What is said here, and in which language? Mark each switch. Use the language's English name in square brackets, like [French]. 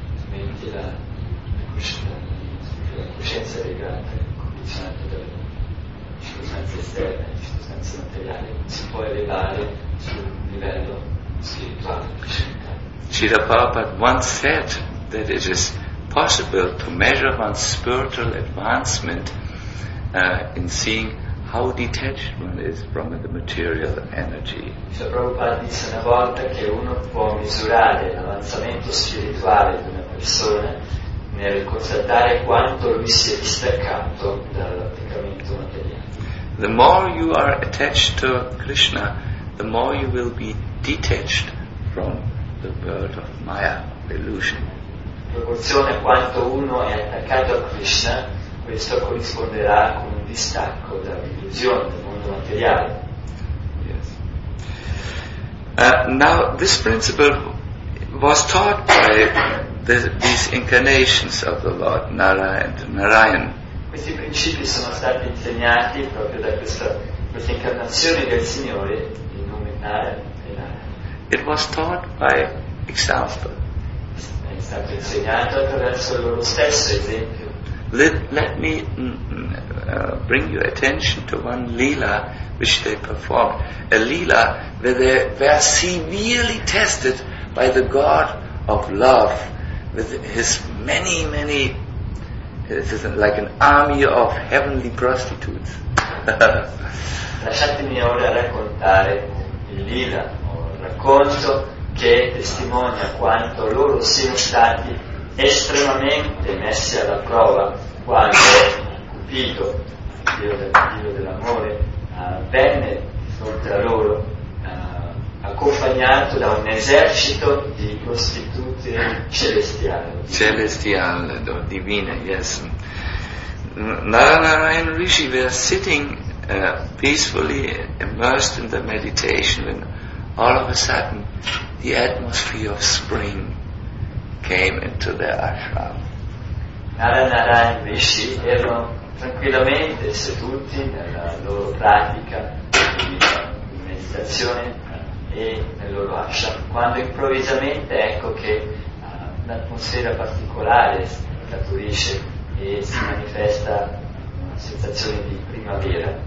[English] the material, the consciousness [Italian] legata, condizionata dalle circostanze esterne, circostanze materiali, si può elevare sul livello spirituale. [English] Srila Prabhupada once said that it is possible to measure one's spiritual advancement in seeing how detached one is from the material energy. [Italian] Srila Prabhupada disse una volta che uno può misurare l'avanzamento spirituale di una persona nel constatare quanto lui si è distaccato dall'applicamento materiale. [English] The more you are attached to Krishna, the more you will be detached from the world of Maya, illusion. [Italian] In proporzione a quanto uno è attaccato a Krishna, questo corrisponderà con un distacco dall'illusione del mondo materiale. [English] Yes. Now, this principle was taught by these incarnations of the Lord, Nara and Narayan. [Italian] Questi principi sono stati insegnati proprio da questa incarnazione del Signore, il nome Nara. [English] It was taught by example. [Italian] È stato insegnato attraverso loro stesso esempio. [English] Let me bring your attention to one lila which they performed. A lila where they were severely tested by the God of love with his many, many, this is like an army of heavenly prostitutes. [Italian] Lasciatemi ora raccontare il lila. Racconto che testimonia quanto loro siano stati estremamente messi alla prova quando Cupido, il dio dell'amore, venne oltre a loro accompagnato da un esercito di prostitute celestiali o divine. [English] Yes. Narayan Rishi were sitting peacefully immersed in the meditation when all of a sudden, the atmosphere of spring came into their ashram. [Italian] Narayan Rishi erano tranquillamente seduti nella loro pratica di meditazione e nel loro ashram, quando improvvisamente ecco che un'atmosfera particolare scaturisce e si manifesta una sensazione di primavera.